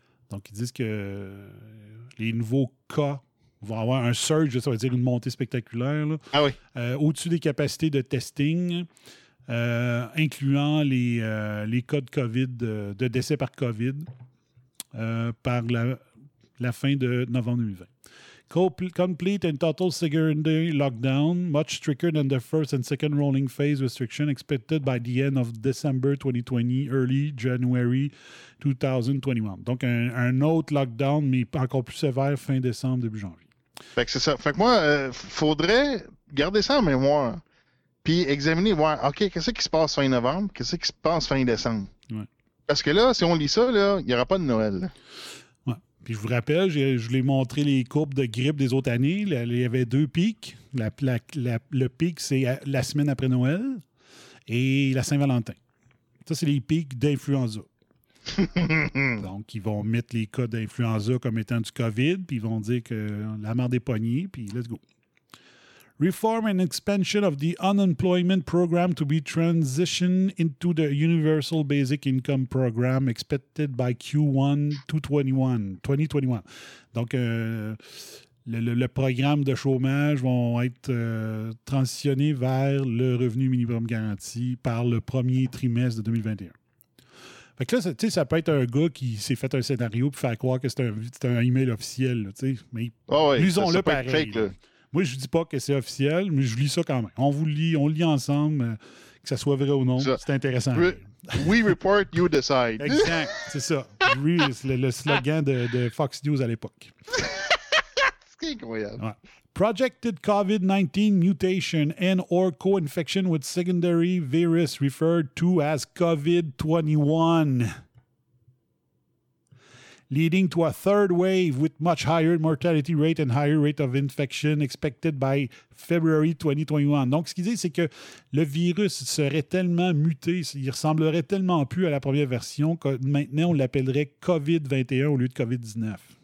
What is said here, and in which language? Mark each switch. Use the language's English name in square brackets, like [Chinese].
[French] Donc, ils disent que les nouveaux cas vont avoir un surge, ça veut dire une montée spectaculaire. Là, ah oui. Au-dessus des capacités de testing... incluant les cas de COVID, de décès par COVID, par la fin de novembre 2020. [English] Complete and total secondary lockdown, much stricter than the first and second rolling phase restriction expected by the end of December 2020, early January 2021. [French] Donc, un autre lockdown, mais encore plus sévère, fin décembre, début janvier. Fait que c'est ça. Fait que moi, faudrait garder ça en mémoire. Puis examiner, voir, OK, qu'est-ce qui se passe fin novembre? Qu'est-ce qui se passe fin décembre? Ouais. Parce que là, si on lit ça, il n'y aura pas de Noël. Ouais. Puis je vous rappelle, je vous ai montré les courbes de grippe des autres années. Il y avait deux pics. Le pic, c'est la semaine après Noël et la Saint-Valentin. Ça, c'est les pics d'influenza. Donc, ils vont mettre les cas d'influenza comme étant du COVID, puis ils vont dire que la merde est pognée, puis [English] let's go. Reform and expansion of the unemployment program to be transitioned into the universal basic income program expected by Q1 2021. [French] Donc, le programme de chômage vont être transitionné vers le revenu minimum garanti par le premier trimestre de 2021. Fait que là, ça peut être un gars qui s'est fait un scénario pour faire croire que c'est un email officiel. Là, mais Lisons-le ça pareil. Fake, là. Moi, je ne dis pas que c'est officiel, mais je lis ça quand même. On le lit ensemble, que ça soit vrai ou non. Ça, c'est intéressant. [English] We report, you decide. [French] Exact, c'est ça. le slogan de Fox News à l'époque. Incroyable. Ouais. [English] Projected COVID-19 mutation and/or co-infection with secondary virus referred to as COVID-21, leading to a third wave with much higher mortality rate and higher rate of infection expected by February 2021. [French] Donc, ce qu'il dit, c'est que le virus serait tellement muté, il ressemblerait tellement plus à la première version que maintenant on l'appellerait COVID-21 au lieu de COVID-19.